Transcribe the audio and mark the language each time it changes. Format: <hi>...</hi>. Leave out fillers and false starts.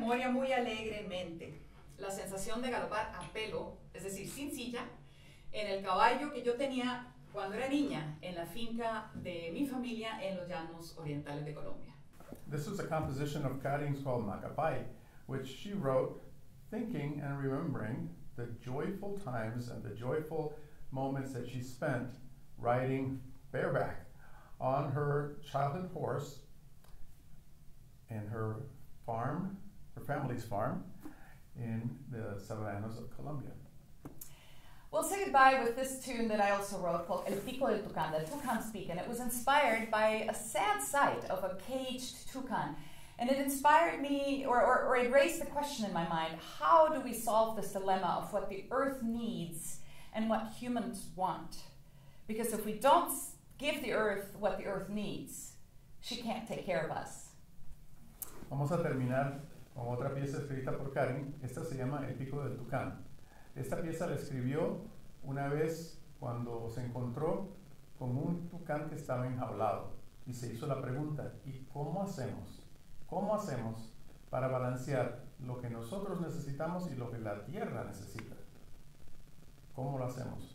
<es>Muy alegremente, la sensación de galopar a pelo, es decir, sin silla, en el caballo que yo tenía cuando era niña en la finca de mi familia en los llanos orientales de Colombia.</es> <en>This is a composition of Karin's called Macapay, which she wrote thinking and remembering the joyful times and the joyful moments that she spent riding bareback on her childhood horse in her farm. Her family's farm in the savannas of Colombia. We'll say goodbye with this tune that I also wrote called El Pico del Tucán, the Tucán Speak, and it was inspired by a sad sight of a caged Tucán. And it inspired me, or it raised the question in my mind, how do we solve this dilemma of what the earth needs and what humans want? Because if we don't give the earth what the earth needs, she can't take care of us.</en> <es>Vamos a terminar con otra pieza escrita por Karin. Esta se llama El Pico del Tucán. Esta pieza la escribió una vez cuando se encontró con un tucán que estaba enjaulado y se hizo la pregunta, ¿y cómo hacemos? ¿Cómo hacemos para balancear lo que nosotros necesitamos y lo que la tierra necesita? ¿Cómo lo hacemos?</es>